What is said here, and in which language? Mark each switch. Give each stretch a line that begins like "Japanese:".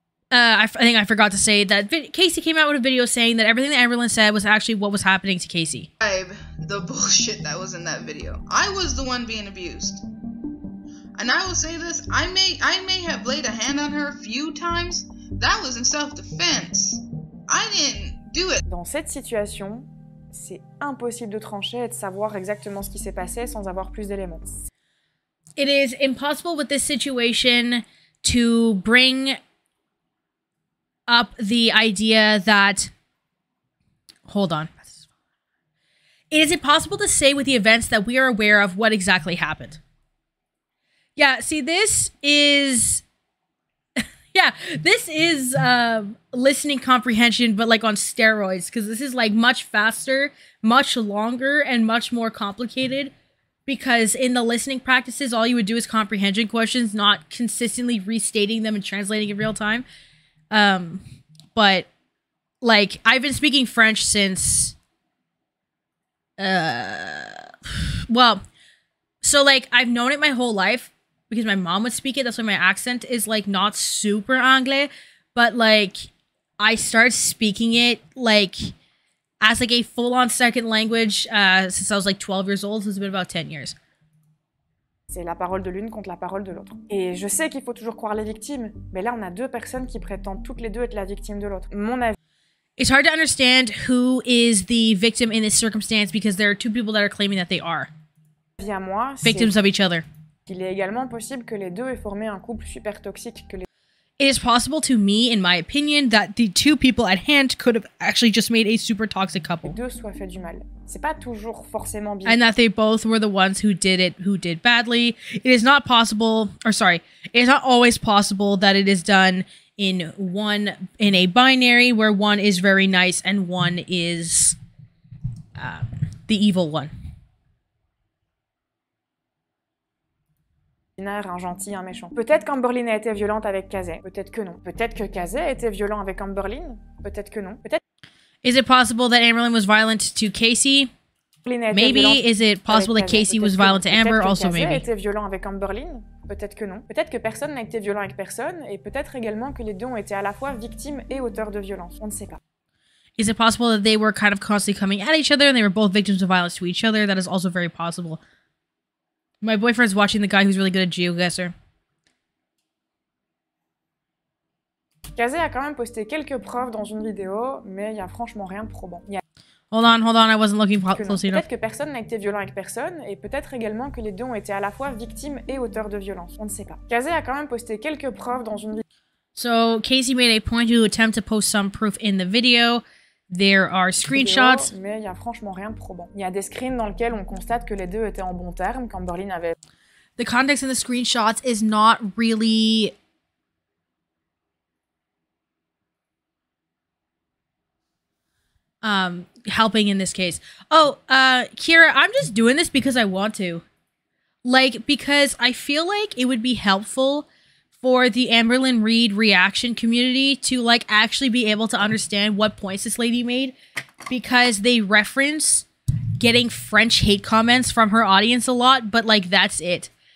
English: I think I forgot to say that Casey came out with a video saying that everything that Amberlynn said was actually what was happening to Casey. The bullshit that was in that video. I was the one being abused. And I will say this, I may have laid a hand on her a few times. That was in self-defense. I didn't do it.
French: Dans cette situation, c'est impossible de trancher et de savoir exactement ce qui s'est passé sans avoir plus d'éléments.
English: It is impossible with this situation to bring up the idea that... Hold on. It is impossible to say with the events that we are aware of what exactly happened. Yeah, see, this is... Yeah, this is listening comprehension, but like on steroids, because this is like much faster, much longer, and much more complicated because in the listening practices, all you would do is comprehension questions, not consistently restating them and translating in real time. But like, I've been speaking French since, I've known it my whole life because my mom would speak it. That's why my accent is like not super anglais, but like I started speaking it like as like a full on second language since I was like 12 years old. So it's been about 10 years.
French: C'est la parole de l'une contre la parole de l'autre. Et je sais qu'il faut toujours croire les victimes, mais là on a deux personnes qui prétendent toutes les deux être la victime de l'autre. Mon avis.
English: It's hard to understand who is the victim in this circumstance because there are two people that are claiming that they are victims of each other.
French: Il est également possible que les deux aient formé un couple super toxique que les.
English: It is possible to me, in my opinion, that the two people at hand could have actually just made a super toxic couple.
French: Les deux soient fait du mal. C'est pas toujours forcément bien.
English: And that they both were the ones who did it, who did badly. It is not possible, or sorry, it is not always possible that it is done in one, in a binary where one is very nice and one is the evil one.
French: Un gentil, un méchant. Peut-être qu'Amberlynn a été violente avec Kazé. Peut-être que non. Peut-être que Kazé a été violent avec Amberlynn. Peut-être que non. Peut-être.
English: Is it possible that Amberlynn was violent to Casey? Maybe. Is it possible that Casey was violent to Amber? Also maybe.
French: Peut-être que Kazé a été violent avec Amberlynn. Peut-être que non. Peut-être que personne n'a été violent avec personne. Et peut-être également que les deux ont été à la fois victimes et auteurs de violence. On ne sait pas.
English: Is it possible that they were kind of constantly coming at each other and they were both victims of violence to each other? That is also very possible. My boyfriend's watching the guy who's really good at GeoGuessr.
French: Kazé a quand même posté quelques preuves dans une vidéo, mais il y a franchement rien de probant.
English: Hold on, I wasn't looking closely enough.
French: Peut-être que personne n'a été violent avec personne, et peut-être également que les deux ont été à la fois victimes et auteurs de violence. On ne sait pas. Kazé a quand même posté quelques preuves dans une vidéo.
English: So, Casey made a point to attempt to post some proof in the video. There are screenshots.
French: Mais il y a franchement rien de probant. Il y a des screens dans lesquels on constate que les deux étaient en bon terme, qu'Amberlynn avait.
English: The context in the screenshots is not really. Helping in this case. Oh, Kira, I'm just doing this because I want to. Like, because I feel like it would be helpful for the Amberlynn Reid reaction community to like actually be able to understand what points this lady made, because they reference getting French hate comments from her audience a lot, but like that's it.